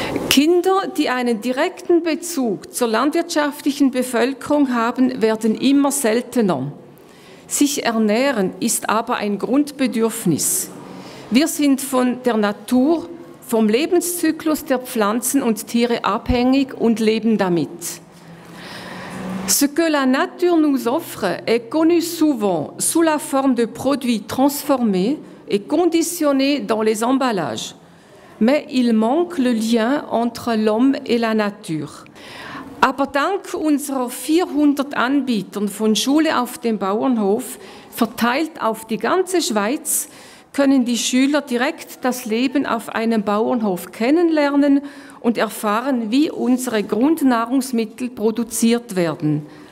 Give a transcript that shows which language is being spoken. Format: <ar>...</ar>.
<de>Kinder, die einen direkten Bezug zur landwirtschaftlichen Bevölkerung haben, werden immer seltener. Sich ernähren ist aber ein Grundbedürfnis. Wir sind von der Natur, vom Lebenszyklus der Pflanzen und Tiere abhängig und leben damit.</de> <fr>Ce que la nature nous offre est connu souvent sous la forme de produits transformés et conditionnés dans les emballages. Mais il manque le lien entre l'homme et la nature.</fr> <de>Aber dank unserer 400 Anbietern von Schule auf dem Bauernhof, verteilt auf die ganze Schweiz, können die Schüler direkt das Leben auf einem Bauernhof kennenlernen und erfahren, wie unsere Grundnahrungsmittel produziert werden.</de>